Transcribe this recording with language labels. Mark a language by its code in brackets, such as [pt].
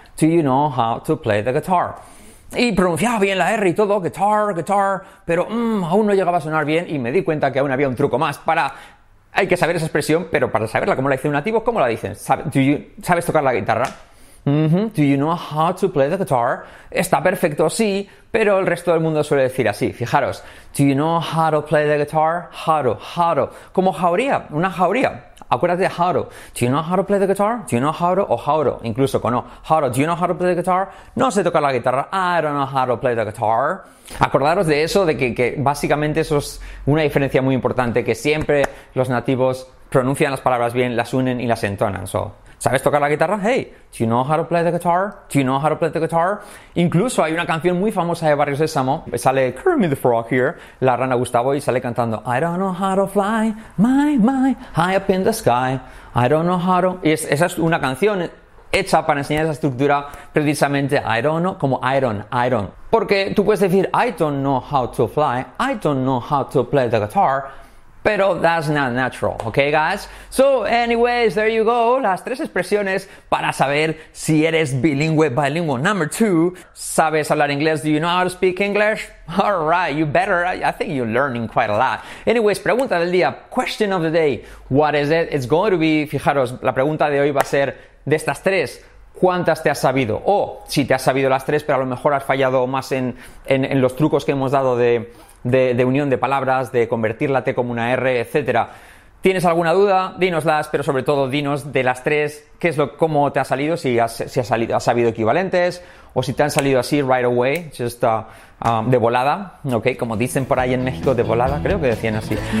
[en] Do you know how to play the guitar? [es] Y pronunciaba bien la R y todo, guitar, guitar, pero aún no llegaba a sonar bien y me di cuenta que aún había un truco más para... Hay que saber esa expresión, pero para saberla, ¿cómo la dicen nativos? ¿Cómo la dicen? ¿Sabes tocar la guitarra? Mm-hmm. [en] Do you know how to play the guitar? [es] Está perfecto, sí, pero el resto del mundo suele decir así. Fijaros. [en] Do you know how to play the guitar? How to. [es] Como jauría, una jauría. Acuérdate de [en] how to. Do you know how to play the guitar? Do you know how to? O how to, [es] incluso con o. [en] How to. Do you know how to play the guitar? [es] No sé tocar la guitarra. [en] I don't know how to play the guitar. [es] Acordaros de eso, de que básicamente eso es una diferencia muy importante, que siempre los nativos pronuncian las palabras bien, las unen y las entonan. So, ¿sabes tocar la guitarra? [en] Hey, do you know how to play the guitar? Do you know how to play the guitar? [es] Incluso hay una canción muy famosa de Barrio Sésamo. [en] Sale Kermit the Frog here, [es] la rana Gustavo, y sale cantando [en] I don't know how to fly, my, high up in the sky. I don't know how to... [es] Y esa es una canción hecha para enseñar esa estructura precisamente [en] I don't know, [es] como iron. Porque tú puedes decir [en] I don't know how to fly, I don't know how to play the guitar... Pero that's not natural, okay guys? So anyways, there you go, [es] las tres expresiones para saber si eres bilingüe, [en] bilingual. Number two, [es] ¿sabes hablar inglés? [en] Do you know how to speak English? All right, you better, I think you're learning quite a lot. Anyways, [es] pregunta del día, [en] question of the day, what is it? [es] It's going to be, fijaros, la pregunta de hoy va a ser de estas tres. ¿Cuántas te has sabido? O si te has sabido las tres, pero a lo mejor has fallado más en los trucos que hemos dado de unión de palabras, de convertir la T como una R, etcétera. ¿Tienes alguna duda? Dínoslas, pero sobre todo dinos de las tres, qué es cómo te ha salido, si has sabido equivalentes, o si te han salido así [en] right away, just [es] de volada, ok, como dicen por ahí en México, de volada, creo que decían así.